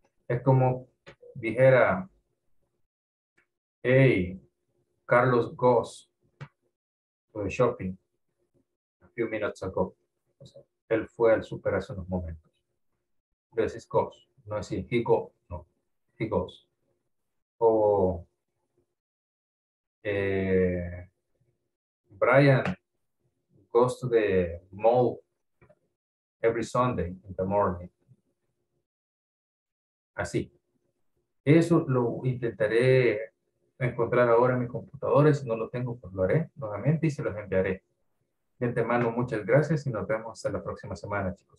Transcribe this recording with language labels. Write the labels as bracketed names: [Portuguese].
[Spanish] Es como dijera, [English] hey, Carlos goes to the shopping a few minutes ago. [Spanish] O sea, él fue al super hace unos momentos. [English] This is goes. [Spanish] No es [English] he go, no. He goes. O Brian goes to the mall every Sunday in the morning. [Spanish] Así. Eso lo intentaré encontrar ahora en mi computadora. Si no lo tengo, pues lo haré nuevamente y se los enviaré. De antemano, muchas gracias y nos vemos hasta la próxima semana, chicos.